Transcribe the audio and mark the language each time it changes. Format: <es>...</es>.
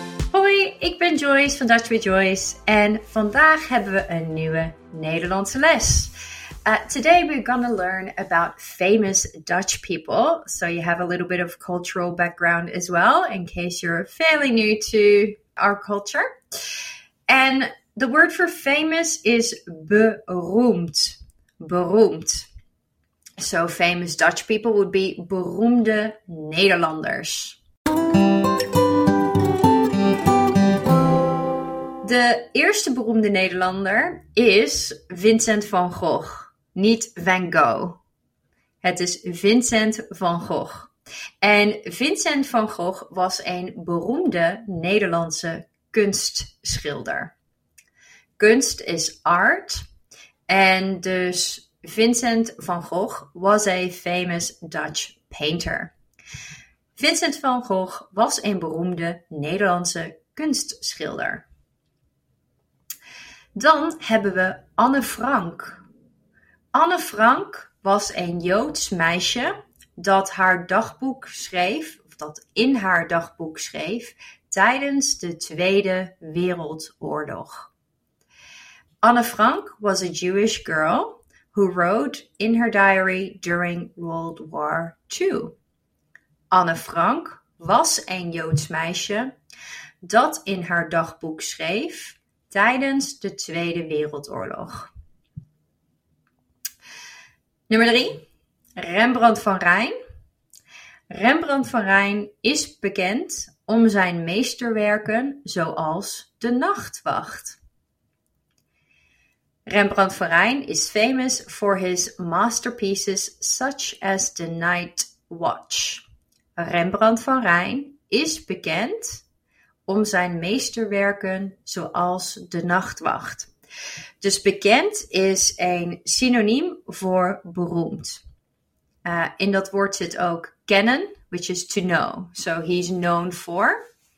<nl>Hoi, ik ben Joyce van Dutch with Joyce en vandaag hebben we een nieuwe Nederlandse les.</nl> <en>Today we're going to learn about famous Dutch people, so you have a little bit of cultural background as well, in case you're fairly new to our culture. And the word for famous is beroemd, beroemd. So famous Dutch people would be beroemde Nederlanders.</en> <nl>De eerste beroemde Nederlander is Vincent van Gogh. Niet Van Gogh. Het is Vincent van Gogh. En Vincent van Gogh was een beroemde Nederlandse kunstschilder. Kunst is art. En dus</nl> <en>Vincent van Gogh was a famous Dutch painter.</en> <nl>Vincent van Gogh was een beroemde Nederlandse kunstschilder. Dan hebben we Anne Frank. Anne Frank was een Joods meisje dat haar dagboek schreef, of dat in haar dagboek schreef, tijdens de Tweede Wereldoorlog.</nl> <en>Anne Frank was a Jewish girl who wrote in her diary during World War II.</en> <nl>Anne Frank was een Joods meisje dat in haar dagboek schreef tijdens de Tweede Wereldoorlog. Nummer 3, Rembrandt van Rijn. Rembrandt van Rijn is bekend om zijn meesterwerken zoals De Nachtwacht.</nl> <en>Rembrandt van Rijn is famous for his masterpieces such as The Night Watch.</en> <nl>Rembrandt van Rijn is bekend om zijn meesterwerken zoals De Nachtwacht. Dus bekend is een synoniem voor beroemd. In dat woord zit ook kennen,</nl> <en>which is to know. So he's known for.</en>